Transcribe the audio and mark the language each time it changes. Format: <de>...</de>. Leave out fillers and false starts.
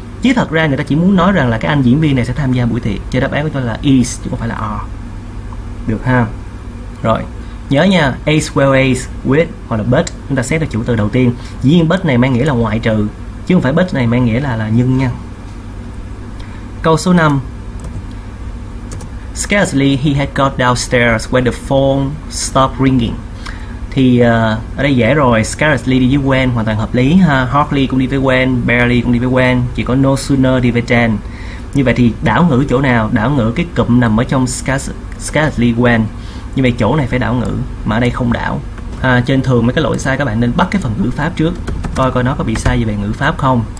<vi>Chứ thật ra người ta chỉ muốn nói rằng là cái anh diễn viên này sẽ tham gia buổi tiệc. Cho đáp án của tôi là is chứ không phải là are. Được ha. Rồi, nhớ nha, as well as, with hoặc là but, chúng ta xét ra chủ từ đầu tiên. Dĩ nhiên but này mang nghĩa là ngoại trừ, chứ không phải but này mang nghĩa là nhưng nha. Câu số 5.</vi> <en>Scarcely he had got downstairs when the phone stopped ringing.</en> <vi>Thì ở đây dễ rồi, scarcely đi với when hoàn toàn hợp lý ha. Hardly cũng đi với when, barely cũng đi với when, chỉ có no sooner đi với than. Như vậy thì đảo ngữ chỗ nào? Đảo ngữ cái cụm nằm ở trong scarcely when. Như vậy chỗ này phải đảo ngữ, mà ở đây không đảo. Trên thường mấy cái lỗi sai các bạn nên bắt cái phần ngữ pháp trước, coi nó có bị sai gì về ngữ pháp không.</vi>